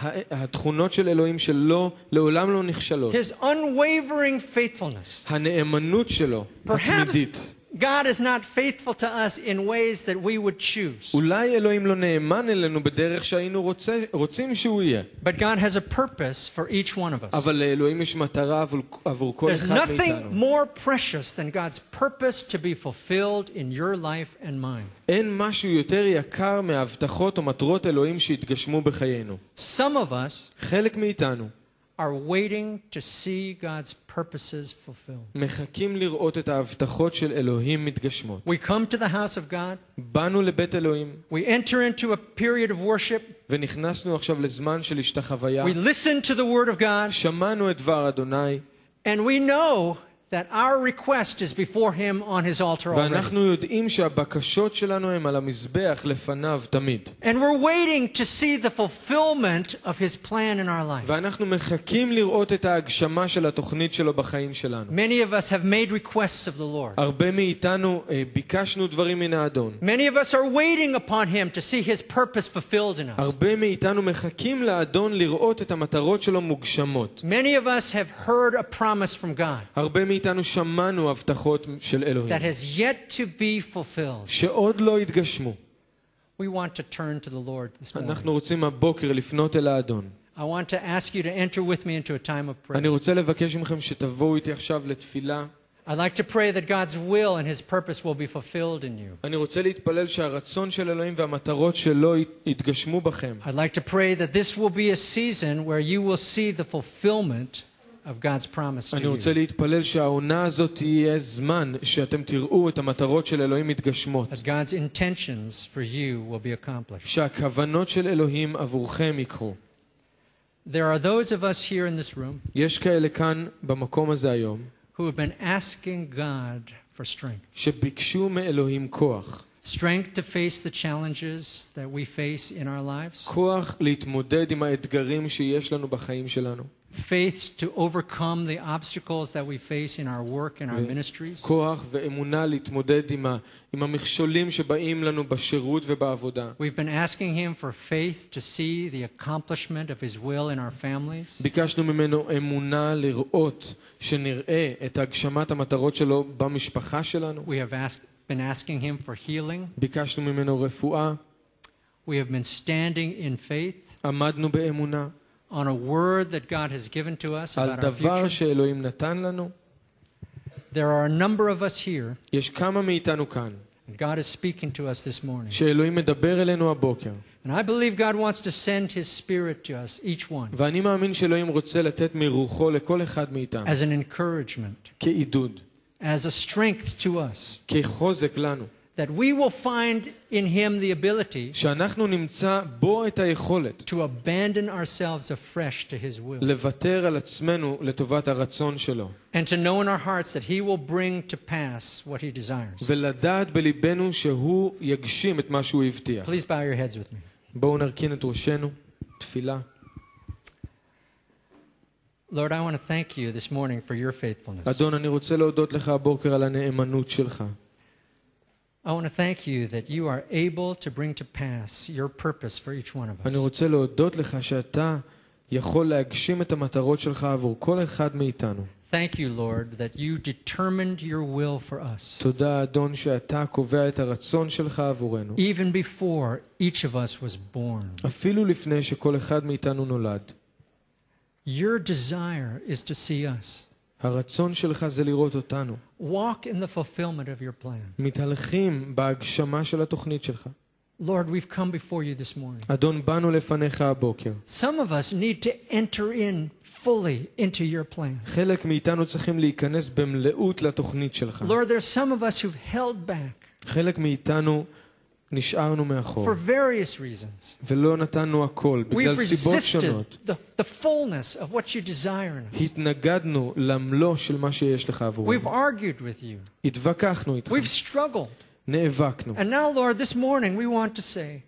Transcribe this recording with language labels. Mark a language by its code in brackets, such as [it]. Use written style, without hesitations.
[he] התכונות של אלוהים שלא לעולם לא נכשלות. [en] His unwavering faithfulness. [he] הנאמנות שלו התמידית. [en] God is not faithful to us in ways that we would choose. [he] אולי אלוהים לא נאמן אלינו בדרך שהיינו רוצים שהוא יהיה. [en] But God has a purpose for each one of us. [he] אבל לאלוהים יש מטרה עבור כל אחד מאיתנו. [en] There's nothing more precious than God's purpose to be fulfilled in your life and mine. [he] אין משהו יותר יקר מהבטחות או מטרות אלוהים שיתגשמו בחיינו. [en] Some of us [he] חלק מאיתנו [en] are waiting to see God's purposes fulfilled. [he] מחכים לראות את ההבטחות של אלוהים מתגשמות. [en] We come to the house of God. [he] באנו לבית אלוהים. [en] We enter into a period of worship. [he] ונכנסנו עכשיו לזמן של השתחוויה. [en] We listen to the word of God. [he] שמענו את דבר אדוני. [en] And we know that our request is before him on his altar already. [he] ואנחנו יודעים שהבקשות שלנו הן על המזבח לפניו תמיד. [en] And we're waiting to see the fulfillment of his plan in our life. [he] ואנחנו מחכים לראות את ההגשמה של התוכנית שלו בחיים שלנו. [en] Many of us have made requests of the Lord. [he] הרבה מאיתנו ביקשנו דברים מן האדון. [en] Many of us are waiting upon him to see his purpose fulfilled in us. [he] הרבה מאיתנו מחכים לאדון לראות את המטרות שלו מוגשמות. [en] Many of us have heard a promise from God. [he] מאיתנו שמענו הבטחות של אלוהים [en] that has yet to be fulfilled [he] שעוד לא התגשמו [en] we want to turn to the Lord this morning [he] אנחנו רוצים הבוקר לפנות אל האדון [en] I want to ask you to enter with me into a time of prayer [he] אני רוצה לבקש מכם שתבואו איתי עכשיו לתפילה [en] I'd like to pray that God's will and his purpose will be fulfilled in you. [he] אני רוצה להתפלל שהרצון של אלוהים והמטרות שלו יתגשמו בכם [en] I'd like to pray that this will be a season where you will see the fulfillment of God's promise to you. [he] אני רוצה להתפלל שהעונה הזאת תהיה זמן שאתם תראו את המטרות של אלוהים מתגשמות. [en] That God's intentions for you will be accomplished. [he] שהכוונות של אלוהים עבורכם יקרו. [en] There are those of us here in this room [he] יש כאלה כאן במקום הזה היום [en] who have been asking God for strength. [he] שביקשו מאלוהים כוח. [en] Strength to face the challenges that we face in our lives. [he] כוח להתמודד עם האתגרים שיש לנו בחיים שלנו. [en] Faith to overcome the obstacles that we face in our work and our ministries. [he] כוח ואמונה להתמודד עם המכשולים שבאים לנו בשירות ובעבודה. [en] We've been asking him for faith to see the accomplishment of his will in our families. [he] ביקשנו ממנו אמונה לראות שנראה את הגשמת המטרות שלו במשפחה שלנו. [en] We have been asking him for healing. [he] ביקשנו ממנו רפואה. [en] We have been standing in faith. [he] עמדנו באמונה. [en] On a word that God has given to us about our future. [he] שאלוהים נתן לנו. [en] There are a number of us here. [he] יש כמה מאיתנו כאן. [en] God is speaking to us this morning. [he] שאלוהים מדבר אלינו הבוקר. [en] And I believe God wants to send his spirit to us each one. [he] ואני מאמין שאלוהים רוצה לתת מרוחו לכל אחד מאיתנו. [en] As an encouragement. [he] כעידוד. [en] As a strength to us. [he] כחוזק לנו. [en] That we will find in him the ability [he] שאנחנו נמצא בו את היכולת [en] to abandon ourselves afresh to his will [he] לוותר על עצמנו לטובת הרצון שלו [en] and to know in our hearts that he will bring to pass what he desires [he] ולדעת בליבנו שהוא יגשים את מה שהוא הבטיח. [en] Please bow your heads with me. [he] בואו נרכין את ראשנו תפילה. [en] Lord, I want to thank you this morning for your faithfulness. [he] אדון, אני רוצה להודות לך הבוקר על הנאמנות שלך. [en] I want to thank you that you are able to bring to pass your purpose for each one of us. [he] אני רוצה להודות לך שאתה יכול להגשים את המטרות שלך עבור כל אחד מאיתנו. [en] Thank you, Lord, that you determined your will for us. [he] תודה אדון שאתה קובע את הרצון שלך עבורנו. [en] Even before each of us was born. [he] אפילו לפני שכל אחד מאיתנו נולד. [en] Your desire is to see us. [he] הרצון שלך זה לראות אותנו. [en] Walk in the fulfillment of your plan. [he] מתהלכים בהגשמה של התוכנית שלך. [en] Lord, we've come before you this morning. [he] אדון, באנו לפניך הבוקר. [en] Some of us need to enter in fully into your plan. [he] חלק מאיתנו צריכים להיכנס במלאות לתוכנית שלך. [en] Lord, there's some of us who've held back. [he] חלק מאיתנו נשארנו מאחור. [en] For various reasons. [he] ולא נתנו הכל בגלל סיבות שונות. [en] The fullness of what you desire in us. [he] התנגדנו למלוא של מה שיש לך עבורנו. [en] We've argued with you. [he] התווכחנו איתך. [en] We've struggled. [he] נאבקנו. [en] And now Lord, this morning we want to say.